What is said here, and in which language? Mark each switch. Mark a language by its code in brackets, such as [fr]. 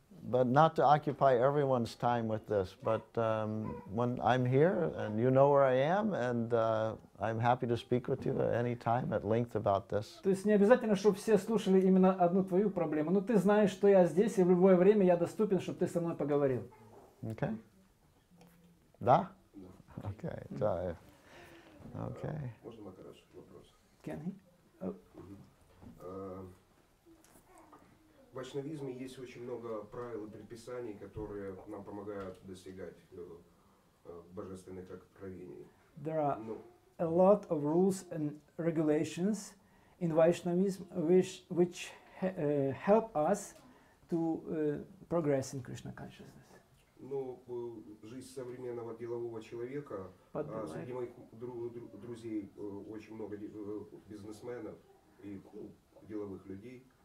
[en] But not to occupy everyone's time with this. But when I'm here, and you know where I am, and I'm happy to speak with you at any time at length about this. [ru] То есть не обязательно, чтобы все слушали именно одну твою проблему. Но ты знаешь, что я здесь, и в любое время я доступен, чтобы ты со мной поговорил. [en] Okay. Да? Okay. Sorry. Okay. [ru] Можно Макараш вопрос? [en] Can he? [ru] В вайшнавизме есть очень много правил и предписаний, которые нам помогают достигать божественных откровений. [en] There are a lot of rules and regulations in Vaishnavism which help us to progress in Krishna consciousness. [ru] Но жизнь современного делового человека, среди моих друзей очень много бизнесменов и деловых людей.